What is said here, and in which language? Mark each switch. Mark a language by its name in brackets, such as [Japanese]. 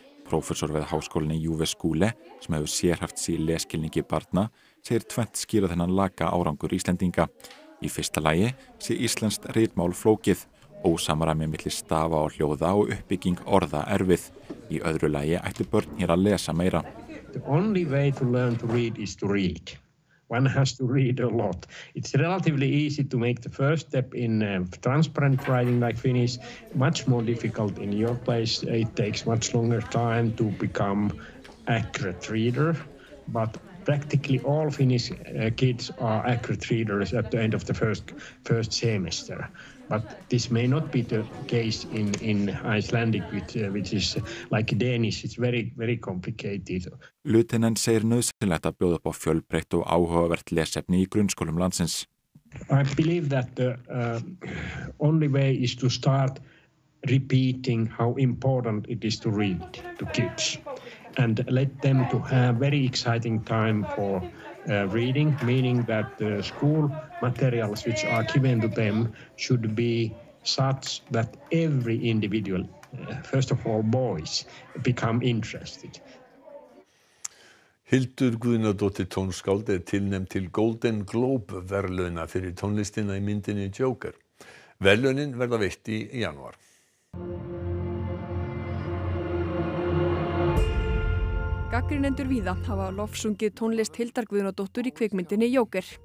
[Icelandic] Prófessor við háskólinn í UV Skúle, sem hefur sérhæft sig í lesskilningi barna, segir tvennt skýra þennan laka árangur Íslendinga. Í fyrsta lagi sé íslenskt ritmál flókið, ósamræmi milli stafa og hljóða og uppbygging orða erfið. Í öðru lagi ættu börn hér að lesa meira. [English] The only way to learn to read is to read. One has to read a lot. It's relatively easy to make the first step in transparent writing like Finnish. Much more difficult in your place. It takes much longer time to become accurate reader. But practically all Finnish kids are accurate readers at the end of the first semester. But this may not be the case in Icelandic, which is like Danish, it's very, very complicated. [Icelandic] Lutinen segir nauðsynlegt að bjóða upp á fjölbreytt og áhugavert lesefni í grunnskólum landsins. [English] I believe that the only way is to start repeating how important it is to read to kids. And let them to have very exciting time for reading, meaning that the school materials which are given to them should be such that every individual, first of all boys, become interested. [Icelandic] Hildur Guðnadóttir tónskáld er tilnefnd til Golden Globe verðlauna fyrir tónlistina í myndinni Joker. Verðlaunin verða veitt í janúar. Gagnrýnendur víða hafa lofsungið tónlist Hildar Guðnadóttur í kvikmyndinni Joker.